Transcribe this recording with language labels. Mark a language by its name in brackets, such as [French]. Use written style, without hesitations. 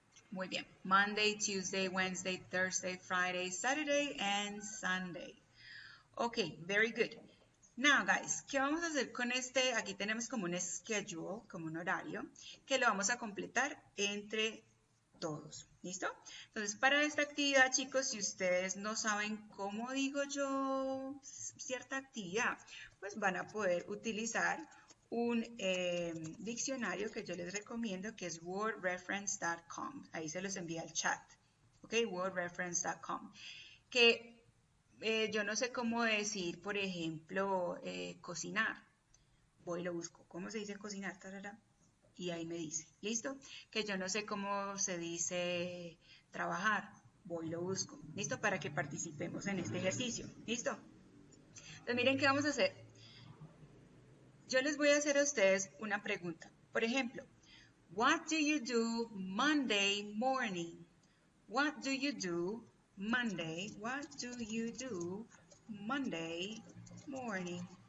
[Spanish] Muy bien, [English] Monday, Tuesday, Wednesday, Thursday, Friday, Saturday, and Sunday. Ok, very good. Now, guys, [Spanish] ¿qué vamos a hacer con este? Aquí tenemos como un schedule, como un horario, que lo vamos a completar entre todos. ¿Listo? Entonces, para esta actividad, chicos, si ustedes no saben cómo digo yo cierta actividad, pues van a poder utilizar un diccionario que yo les recomiendo, que es wordreference.com. Ahí se los envía el chat. ¿Ok? Wordreference.com. Que... yo no sé cómo decir, por ejemplo, cocinar. Voy y lo busco. ¿Cómo se dice cocinar? Tarara. Y ahí me dice. ¿Listo? Que yo no sé cómo se dice trabajar. Voy y lo busco. ¿Listo? Para que participemos en este ejercicio. ¿Listo? Entonces, miren qué vamos a hacer. Yo les voy a hacer a ustedes una pregunta. Por ejemplo, [English] what do you do Monday morning? What do you do Monday, what do you do Monday morning?